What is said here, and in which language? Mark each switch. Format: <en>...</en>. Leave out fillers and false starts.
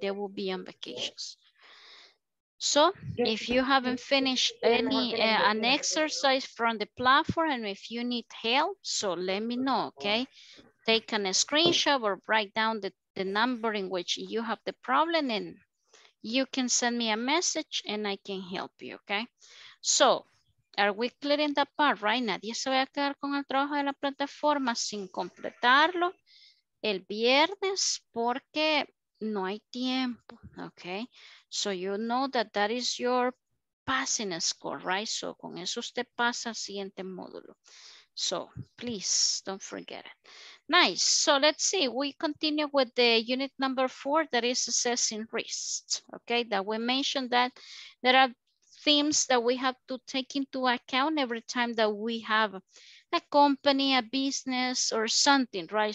<en>They will be on vacations. So if you haven't finished any an exercise from the platform and if you need help, so let me know, okay? Take a screenshot or write down the number in which you have the problem and you can send me a message and I can help you, okay? So are we clear in that part, right?</en> <es>Nadie se va a quedar con el trabajo de la plataforma sin completarlo el viernes porque no hay tiempo, okay?</es> <en>So you know that that is your passing score, right? So</en> <es>con eso usted pasa al siguiente módulo.</es> <en>So please, don't forget it. Nice. So let's see. We continue with the unit number 4, that is assessing risks. Okay, that we mentioned that there are themes that we have to take into account every time that we have a company, a business, or something, right?</en>